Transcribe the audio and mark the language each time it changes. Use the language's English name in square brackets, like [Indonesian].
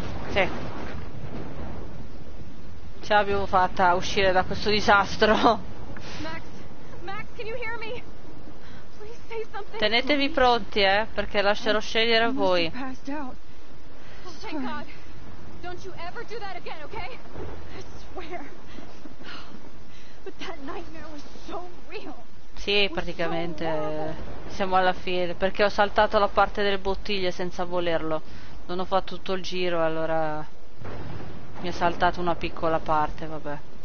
[Italian] Sì. Ce l'abbiamo fatta a uscire da questo disastro. [English] Max, Max, can you hear me? Please say something. [Italian] Tenetevi pronti, perché lascerò scegliere a voi. [English] Oh, thank God. Don't you ever do that again, okay? I swear. But that nightmare was so real. [Italian] Sì, praticamente siamo alla fine, perché ho saltato la parte delle bottiglie senza volerlo. Non ho fatto tutto il giro, allora mi è saltata una piccola parte, vabbè.